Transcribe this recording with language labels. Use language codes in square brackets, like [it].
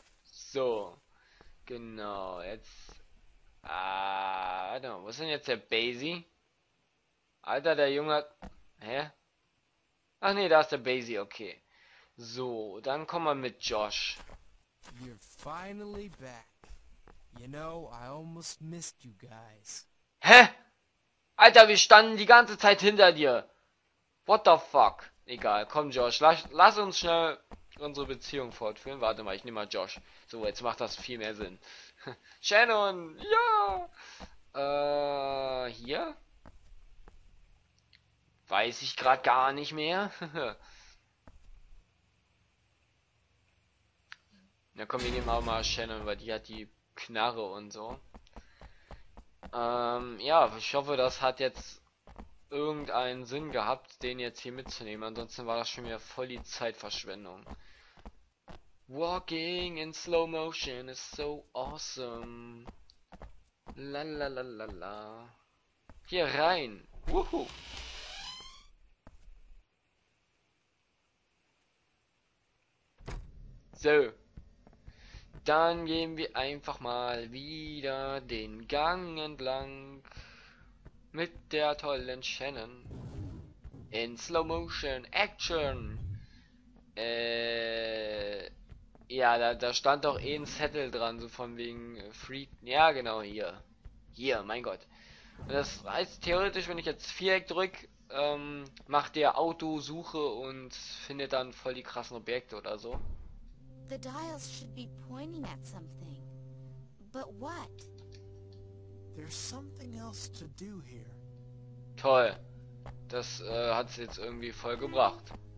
[de] So. Genau, jetzt. Warte mal, wo ist denn jetzt der Basie? Alter, der Junge hat. Hä? Ach ne, da ist der Basie, okay. So, dann kommen wir mit Josh. [en] You're finally back. You know, I almost missed you guys. Hä? [de] Alter, wir standen die ganze Zeit hinter dir. [en] What the fuck? [de] Egal, komm Josh, lass uns schnell unsere Beziehung fortführen. Warte mal, ich nehme mal Josh. So, jetzt macht das viel mehr Sinn. Shannon, ja! Hier? Weiß ich gerade gar nicht mehr. Na komm, wir nehmen auch mal Shannon, weil die hat die Knarre und so. Ja, ich hoffe, das hat jetzt irgendeinen Sinn gehabt, den jetzt hier mitzunehmen. Ansonsten war das schon wieder voll die Zeitverschwendung. [en] Walking in slow motion is so awesome. La la la la la. Hier rein. Wuhu. [de] So. Dann gehen wir einfach mal wieder den Gang entlang mit der tollen Shannon. [en] In Slow Motion Action. [de] Ja, da stand doch eh ein Zettel dran, so von wegen Freak. Ja, genau hier. Hier, mein Gott. Und das heißt theoretisch, wenn ich jetzt Viereck drück, macht der Auto Suche und findet dann voll die krassen Objekte oder so. [en] The dials should be pointing at something. But what? There's something else to do here. [de] Toll. Das hat es jetzt irgendwie voll gebracht.